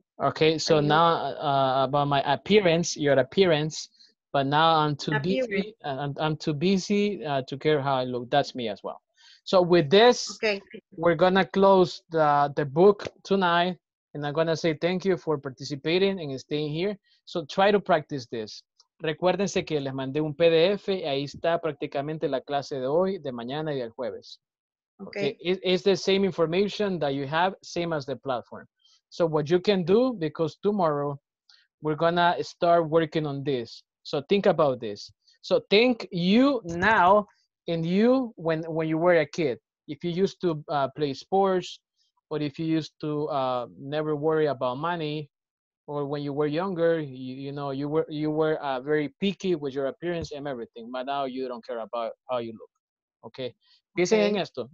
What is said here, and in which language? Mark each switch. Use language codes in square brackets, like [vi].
[en] Okay, so I now about my appearance, your appearance, but now I'm too busy to care how I look. That's me as well. So with this, we're going to close the book tonight. And I'm going to say thank you for participating and staying here. So try to practice this. [es] Recuérdense que les mandé un PDF. Y ahí está prácticamente la clase de hoy, de mañana y del jueves. [en] Okay. It's the same information that you have, same as the platform. So what you can do, because tomorrow we're going to start working on this. So think about this. So think you now and you when you were a kid. If you used to play sports, but if you used to never worry about money, or when you were younger, you were very picky with your appearance and everything, but now you don't care about how you look. Okay. [es] Piensen en esto.